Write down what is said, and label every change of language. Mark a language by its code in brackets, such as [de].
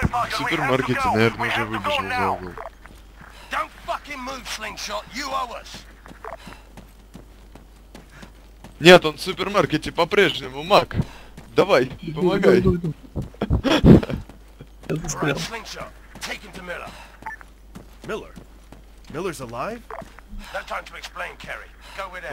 [ru] В супермаркете, наверное, уже выбежал за угол. [en] Don't fucking move, Slingshot, you owe us. [ru] Нет, он в супермаркете по-прежнему, Мак. Давай, помогай. Миллер жив? Нет времени объяснить, Кэрри. Пойдем с ним.